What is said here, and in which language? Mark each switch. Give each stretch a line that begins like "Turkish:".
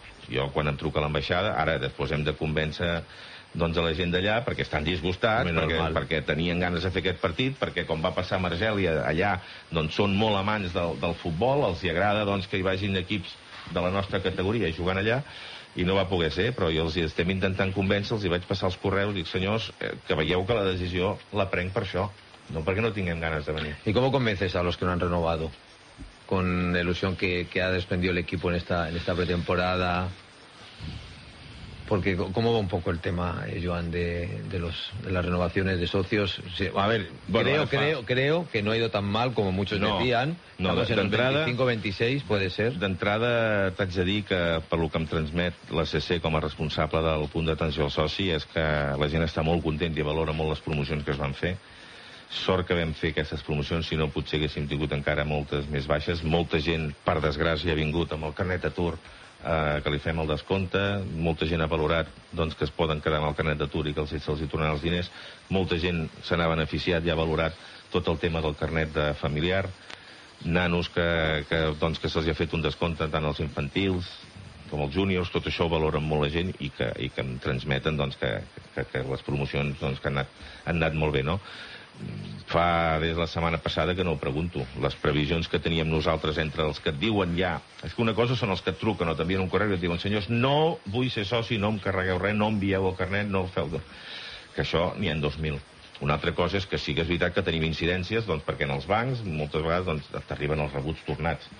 Catalan: Jo quan em truca l'ambaixada, ara després hem de convèncer doncs a la gent d'allà, perquè estan disgustats, perquè tenien ganes de fer aquest partit, perquè com va passar a Margèlia, allà doncs són molt amants del futbol, els hi agrada doncs que hi vagin equips de la nostra categoria jugant allà, i no va poder ser, però jo els estem intentant convèncer, els hi vaig passar els correus, dic, senyors, que veieu que la decisió la prenc per això, no perquè no tinguem ganes de venir.
Spanish: ¿Y cómo convences a los que no han renovado? Con la ilusión que ha desprendido el equipo en esta pretemporada... Porque, ¿cómo va un poco el tema, Joan, de las renovaciones de socios? Sí, a ver, bueno, creo que no ha ido tan mal como muchos decían.
Catalan: No, d'entrada...
Spanish: 25-26, puede ser.
Catalan: D'entrada, t'haig de dir que, pel que em transmet la CC com a responsable del punt d'atenció al soci, és que la gent està molt contenta i valora molt les promocions que es van fer. Sort que vam fer aquestes promocions, si no, potser haguéssim tingut encara moltes més baixes. Molta gent, per desgràcia, ha vingut amb el carnet d'atur que li fem el descompte, molta gent ha valorat doncs, que es poden quedar amb el carnet d'atur i que se'ls hi tornen els diners, molta gent se n'ha beneficiat i ha valorat tot el tema del carnet de familiar, nanos que se'ls ha fet un descompte tant als infantils com als júniors, tot això ho valoren molt la gent i que em transmeten doncs, que les promocions doncs, que han anat molt bé, no? Fa des de la setmana passada que no ho pregunto. Les previsions que teníem nosaltres entre els que et diuen ja... És que una cosa són els que et truquen o t'envien un correu i et diuen, senyors, no vull ser soci, no em carregueu res, no envieu el carnet, no feu... Que això n'hi ha 2.000. Una altra cosa és que sí que és veritat que tenim incidències, doncs perquè en els bancs moltes vegades doncs, t'arriben els rebuts tornats.